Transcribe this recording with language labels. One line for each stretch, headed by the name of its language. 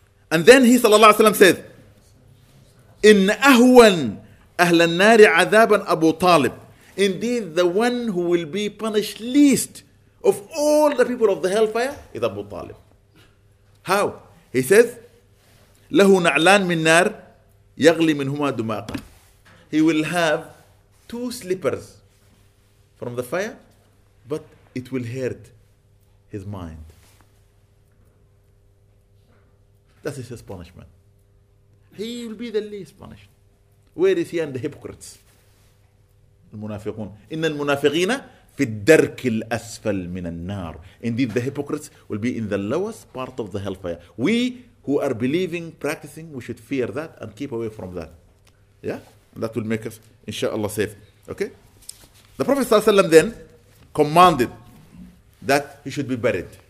English: And then he, sallallahu alayhi wa sallam, says,
Arabic: إن أهون أهل النار عذابا أبو طالب.
English: Indeed, the one who will be punished least of all the people of the hellfire is Abu Talib. How? He says,
Arabic: له نعلان من نار يغلي منهما دماغا.
English: He will have two slippers from the fire, but it will hurt his mind. That is his punishment. He will be the least punished. Where is he and the hypocrites? المنافقون.
Arabic: إن المنافقين في الدرك الأسفل من النار.
English: Indeed, the hypocrites will be in the lowest part of the hellfire. We who are believing, practicing, we should fear that and keep away from that. Yeah? And that will make us, inshallah, safe. Okay? The Prophet ﷺ then commanded that he should be buried.